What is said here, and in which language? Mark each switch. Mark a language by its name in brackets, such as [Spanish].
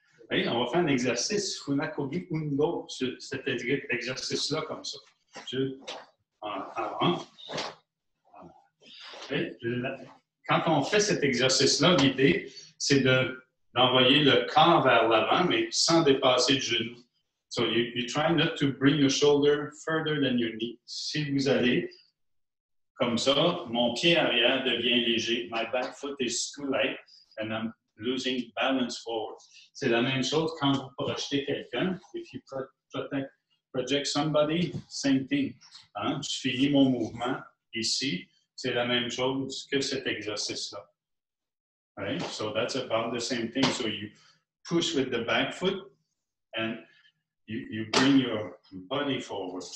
[French] Allez, on va faire un exercice. Funakobi Undo, cet exercice-là comme ça. Je, avant. Quand on fait cet exercice-là, l'idée, c'est d'envoyer le corps vers l'avant, mais sans dépasser le genou. [English] So, you try not to bring your shoulder further than your knee. [French] Si vous allez comme ça, mon pied arrière devient léger. [English] My back foot is too light and I'm losing balance forward. [French] C'est la même chose quand vous projetez quelqu'un. [English] If you project somebody, same thing. [French] Hein? Je finis mon mouvement ici. C'est la même chose que cet exercice-là. [English] Right, so that's about the same thing. So you push with the back foot and you bring your body forward.